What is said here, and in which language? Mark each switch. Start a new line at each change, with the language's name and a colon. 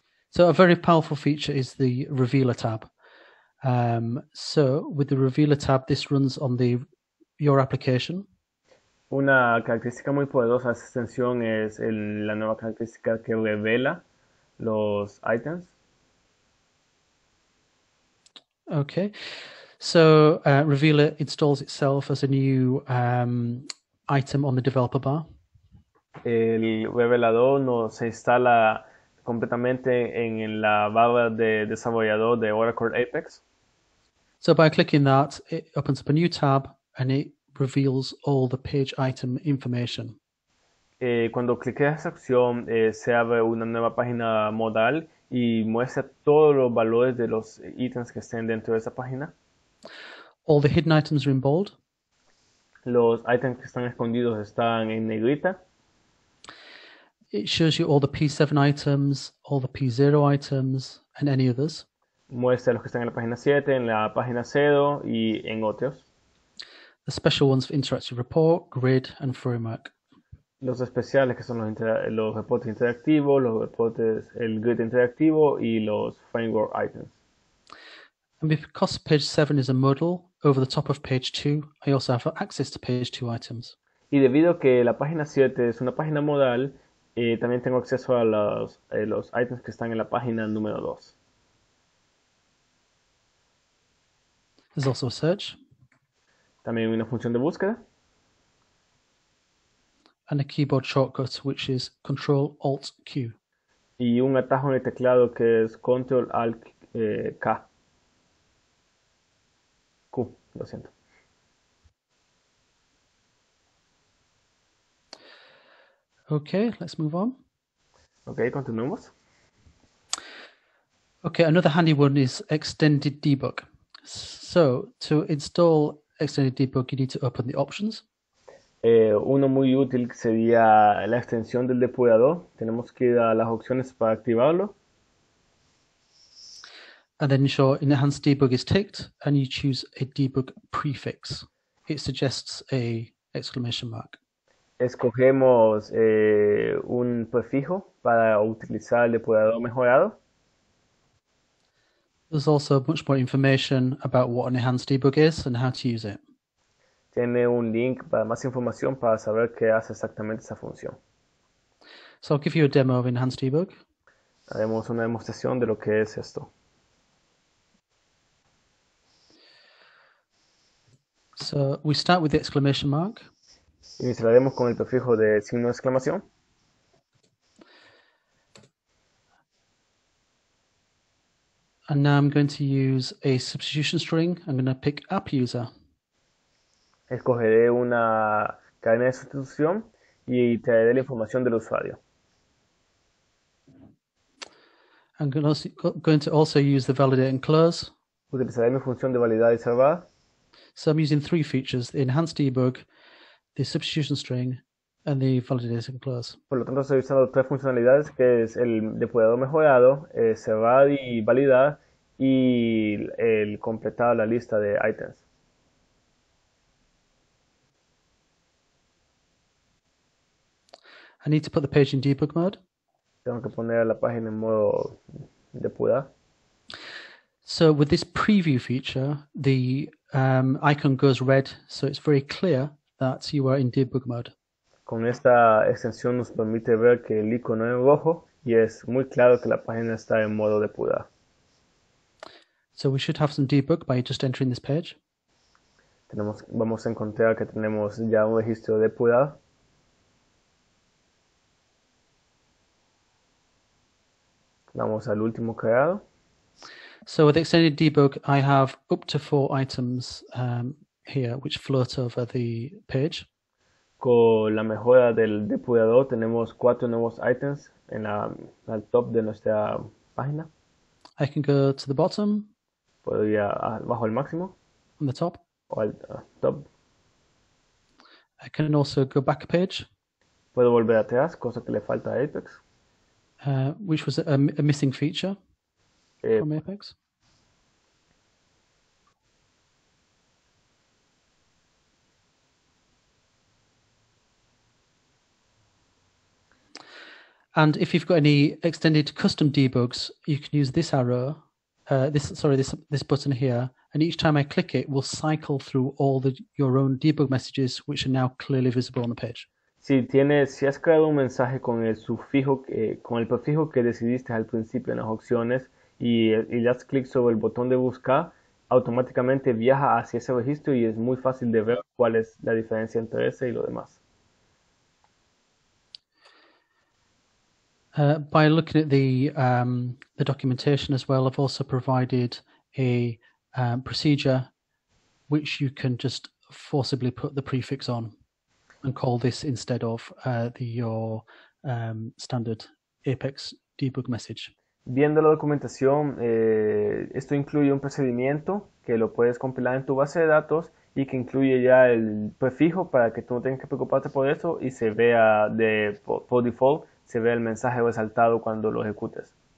English: So a very powerful feature is the revealer tab. So with the revealer tab, this runs on the your application.
Spanish: Una característica muy poderosa de esta extensión es la nueva característica que revela los ítems.
English: Okay. So revealer installs itself as a new item on the developer bar.
Spanish: El revelador no se instala completamente en la barra de desarrollador de Oracle Apex.
English: So by clicking that, it opens up a new tab and it reveals all the page item information.
Spanish: Cuando cliqueas esa opción, se abre una nueva página modal y muestra todos los valores de los ítems que estén dentro de esa página.
English: All the hidden items are in bold.
Spanish: Los ítems que están escondidos están en negrita.
English: It shows you all the P7 items, all the P0 items, and any others.
Spanish: Muestra los que están en la página 7, en la página 0 y en otros.
English: The special ones for interactive report, grid, and framework.
Spanish: Los especiales que son los reportes interactivos, los reportes, el grid interactivo y los framework items.
English: Because page 7 is a modal over the top of page 2, I also have access to page 2 items.
Spanish: Y debido a que la página 7 es una página modal, también tengo acceso a los items que están en la página número 2.
English: There's also a search.
Spanish: También hay una función de búsqueda.
English: And a keyboard shortcut, which is Control Alt Q.
Spanish: Y un atajo en el teclado que es Control Alt K. Q, lo siento.
English: Okay, let's move on.
Spanish: Ok, continuemos.
English: Okay, another handy one is extended debug. So, to install extended debug, you need to open the options.
Spanish: Uno muy útil sería la extensión del depurador. Tenemos que ir a las opciones para activarlo.
English: And then ensure enhanced debug is ticked and you choose a debug prefix. It suggests a exclamation mark.
Spanish: Escogemos un prefijo para utilizar el depurador mejorado.
English: There's also much more information about what an enhanced debug is and how to use it.
Spanish: Tiene un link para más información para saber qué hace exactamente esa función.
English: So I'll give you a demo of enhanced debug.
Spanish: Haremos una demostración de lo que es esto.
English: So we start with the exclamation mark.
Spanish: Iniciaremos con el prefijo de signo de exclamación.
English: And now I'm going to use a substitution string. I'm going to pick app user.
Spanish: Escogeré una cadena de sustitución y traeré la información del usuario.
English: Going to also use the validate and close.
Spanish: Utilizaré mi función de validar y salvar.
English: So I'm using three features, the enhanced debug, the substitution string, and the validate and close.
Spanish: Por lo tanto, estoy usando tres funcionalidades, que es el depurador mejorado, cerrar y validar, y el completar la lista de ítems.
English: I need to put the page in debug mode.
Spanish: Tengo que poner la página en modo depurar.
English: So with this preview feature, the icon goes red, so it's very clear that you are in debug mode.
Spanish: Con esta extensión nos permite ver que el icono es rojo y es muy claro que la página está en modo depurar.
English: So we should have some debug by just entering this page.
Spanish: Vamos a encontrar que tenemos ya un registro de depurado. Vamos al último creado.
English: So with extended debug, I have up to four items here which float over the page.
Spanish: Con la mejora del depurador tenemos cuatro nuevos ítems en al top de nuestra página.
English: I can go to the bottom,
Spanish: Podría bajo el máximo
English: on the top.
Spanish: o al top.
English: I can also go back a page,
Spanish: Puedo volver atrás, cosa que le falta a Apex.
English: which was a missing feature from Apex. And if you've got any extended custom debugs, you can use this arrow, this button here, and each time I click it, will cycle through all the your own debug messages, which are now clearly visible on the page.
Spanish: Si has creado un mensaje con el sufijo con el prefijo que decidiste al principio en las opciones y le das clic sobre el botón de buscar, automáticamente viaja hacia ese registro y es muy fácil de ver cuál es la diferencia entre ese y lo demás.
English: By looking at the documentation as well, I've also provided a procedure which you can just forcibly put the prefix on and call this instead of your standard Apex debug message.
Spanish: Viendo la documentación, esto incluye un procedimiento que lo puedes compilar en tu base de datos y que incluye ya el prefijo para que tú no tengas que preocuparte por eso y se vea por default, se vea el mensaje resaltado cuando lo ejecutes.